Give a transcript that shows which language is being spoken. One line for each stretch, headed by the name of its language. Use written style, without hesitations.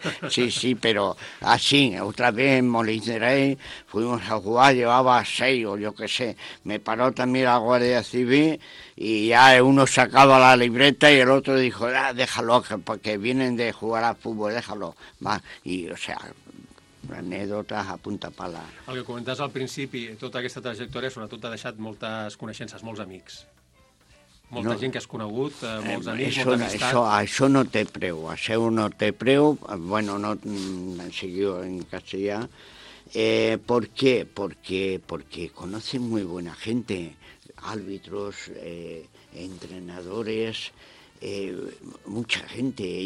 Spanish: Sí, pero así, otra vez en Molinerey fuimos a jugar, llevaba 6 o yo qué sé, me paró también la Guardia Civil y ya uno sacaba la libreta y el otro dijo, ah, déjalo, porque vienen de jugar a fútbol, déjalo, y o sea, anècdotes a punta pala.
Catalan: El que comentaves al principi, tota aquesta trajectòria, sobretot t'ha deixat moltes coneixences, molts amics. Molta gent que has conegut, molts amics, això, molta amistat. Això no té preu, això no té preu, bueno, no en seguiu en castellà.
Spanish: ¿Por qué? Porque conoces muy buena gente, árbitros, entrenadores, mucha gente.